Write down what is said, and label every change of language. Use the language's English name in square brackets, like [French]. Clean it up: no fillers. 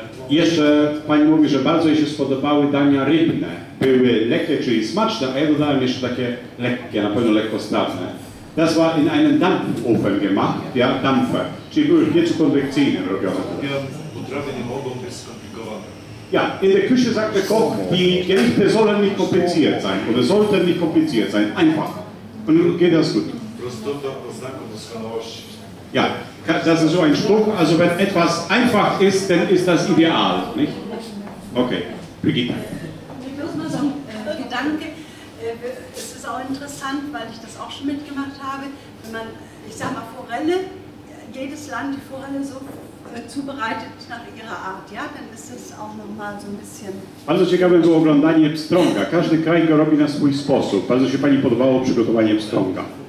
[Polish] Jeszcze pani mówi, że bardzo jej się spodobały dania rybne. Były lekkie, czyli smaczne, a ja dodałem jeszcze takie lekkie, na pewno lekkostrawne. [German] Das war in einem Dampfofen gemacht, ja, Dampfer. [Polish] Czyli były w pieczu konwekcyjnym robione. Potrawy nie mogą być skomplikowane. [German] Ja, in der Küche sagt der Koch, die Gerichte sollen nicht kompliziert sein. Oder sollten nicht kompliziert sein. Einfach. Und geht das gut. [Polish] Prostota oznaką doskonałości. [German] Ja. Das ist so ein Spruch, also wenn etwas einfach ist, dann ist das ideal, nicht? Okay, Brigitte. Ich muss mal so ein Gedanke, es ist auch interessant, weil ich das auch schon mitgemacht habe, wenn man, ich sag mal Forelle, jedes Land die Forelle so zubereitet nach ihrer Art, ja, dann ist das auch nochmal so ein bisschen... [Polish] Bardzo ciekawe było oglądanie Pstrąga. Każdy kraj go robi na swój sposób. Bardzo się pani podobało przygotowanie Pstrąga.